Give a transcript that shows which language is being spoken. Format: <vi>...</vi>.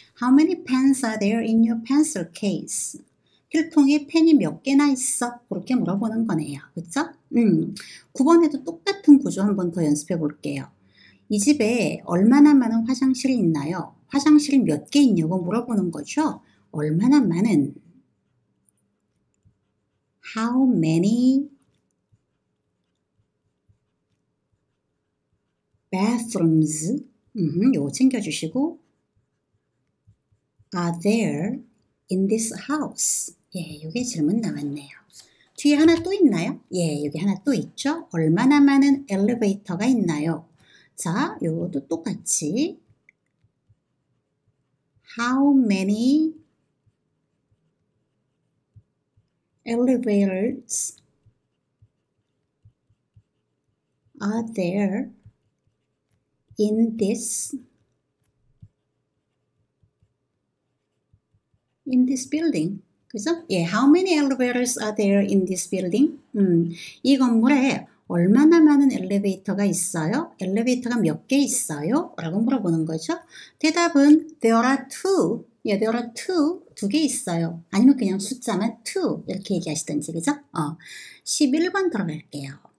<en>How many pens are there in your pencil case?</en> <ko>필통에 펜이 몇 개나 있어? 그렇게 물어보는 거네요. 그쵸? 9번에도 똑같은 구조 한번더 연습해 볼게요. 이 집에 얼마나 많은 화장실이 있나요? 화장실이 몇개 있냐고 물어보는 거죠? 얼마나 많은?</ko> <en>How many bathrooms. 요거 챙겨주시고. Are there in this house?</en> <ko>예, 요게 질문 나왔네요. 뒤에 하나 또 있나요? 예, 여기 하나 또 있죠? 얼마나 많은 엘리베이터가 있나요? 자, 요것도 똑같이.</ko> <en>How many elevators are there in this building?</en> <ko>그죠?</ko> <en>예, how many elevators are there in this building?</en> <ko>이 건물에 얼마나 많은 엘리베이터가 있어요? 엘리베이터가 몇개 있어요? 라고 물어보는 거죠. 대답은 there are two. 예, there are two. 두개 있어요. 아니면 그냥 숫자만 two. 이렇게 얘기하시든지, 그죠? 11번 들어갈게요.</ko>